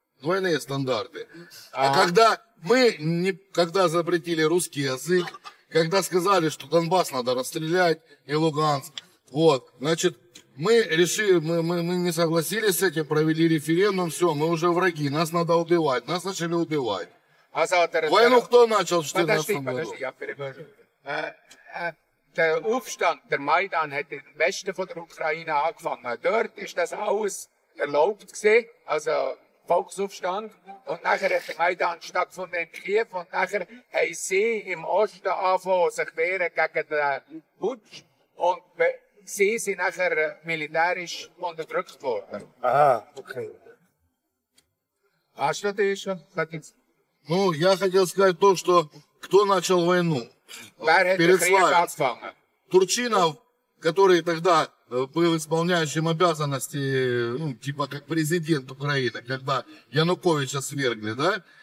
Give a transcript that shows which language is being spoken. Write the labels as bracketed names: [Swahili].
[Russian] Двойные стандарты. А когда мы не, когда запретили русский язык, когда сказали, что Донбасс надо расстрелять и Луганск, вот, значит, мы решили, мы не согласились с этим, провели референдум, все, мы уже враги, нас надо убивать, нас начали убивать. Войну кто начал в 14-м году? Подожди, я перевожу. [German] Der Aufstand, der Майдан, hat im Westen von der Ukraine angefangen. Dort ist das alles erlaubt gewesen, also Volksaufstand. Und nachher hat der Maidan stattgefunden in Kiew. Und nachher haben sie im Osten angefangen, sich wehren gegen den Putsch. Und sie sind nachher militärisch unterdrückt worden. Aha, okay. [Russian] А что ты еще хотел? Ну, я хотел сказать то, что кто начал войну? Перед Славей. Турчинов, который тогда был исполняющим обязанности, ну, типа как президент Украины, когда Януковича свергли, да?